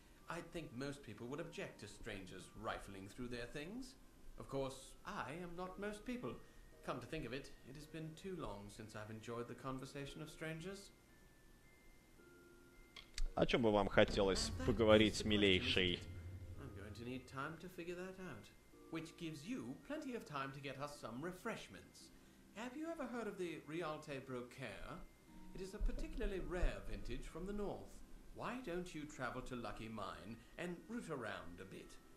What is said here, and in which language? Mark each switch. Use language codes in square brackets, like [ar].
[en] I think most people would object to strangers rifling through their things. Of course, I am not most people. Come to think of it, it has been too long since I've enjoyed the conversation of strangers. [ru] О чем бы вам хотелось поговорить, милейший? [en] I'm going to need time to figure that out. Which gives you plenty of time to get us some refreshments. Have you ever heard of the Rialte Brocaire? It is a particularly rare vintage from the north. Why don't you travel to Lucky Mine and root around a bit?